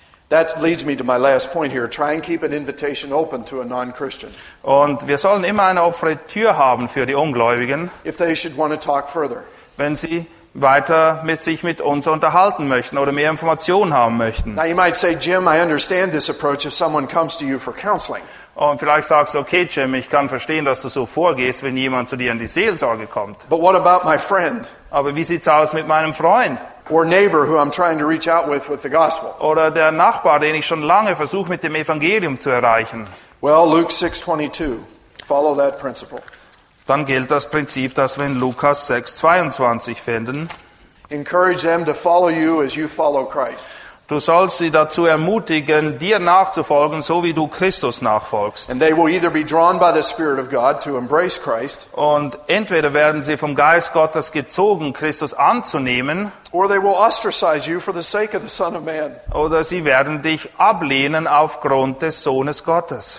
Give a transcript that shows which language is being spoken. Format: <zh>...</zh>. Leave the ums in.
<en>That leads me to my last point here. Try and keep an invitation open to a non-Christian.</en> <de>Und wir sollen immer eine offene Tür haben für die Ungläubigen.</de> <en>If they should want to talk further. Wenn</en> <de>sie weiter mit sich mit uns unterhalten möchten oder mehr Informationen haben möchten.</de> <en>Now you might say, Jim, I understand this approach if someone comes to you for counseling.</en> <de>Und vielleicht sagst du, okay, Jim, ich kann verstehen, dass du so vorgehst, wenn jemand zu dir in die Seelsorge kommt. Aber wie sieht's aus mit meinem Freund?</de> <en>Neighbor, with, with</en> <de>Oder der Nachbar, den ich schon lange versuche mit dem Evangelium zu erreichen?</de> <en>Well, Luke 6:22. Follow that principle.</en> <de>Dann gilt das Prinzip, dass wir in Lukas 6:22 finden.</de> <en>Encourage them to follow you as you follow Christ.</en> <de>Du sollst sie dazu ermutigen, dir nachzufolgen, so wie du Christus nachfolgst. Und entweder werden sie vom Geist Gottes gezogen, Christus anzunehmen, oder sie werden dich ablehnen aufgrund des Sohnes Gottes.</de>